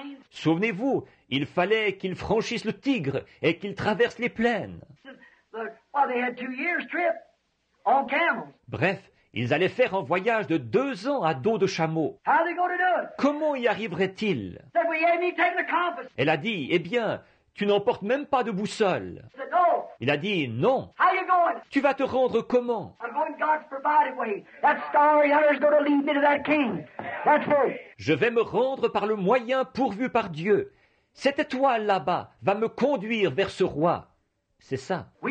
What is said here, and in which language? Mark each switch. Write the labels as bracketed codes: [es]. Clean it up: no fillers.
[fr] Souvenez-vous, il fallait qu'ils franchissent le Tigre et qu'ils traversent les plaines. [en] They had 2 years trip on camels. [fr] Bref, ils allaient faire un voyage de 2 ans à dos de chameau. [en] How they going to do it? [fr] Comment y arriveraient-ils? [en] Said, well, you ain't even taking the compass. [fr] Elle a dit, eh bien, tu n'emportes même pas de boussole. [en] Said, no. [fr] Il a dit, non. [en] How you going? [fr] Tu vas te rendre comment? [en] I'm going God's provided way. That starry hunter is going to lead me to that king. That's right. [fr] Je vais me rendre par le moyen pourvu par Dieu. Cette étoile là-bas va me conduire vers ce roi. C'est ça.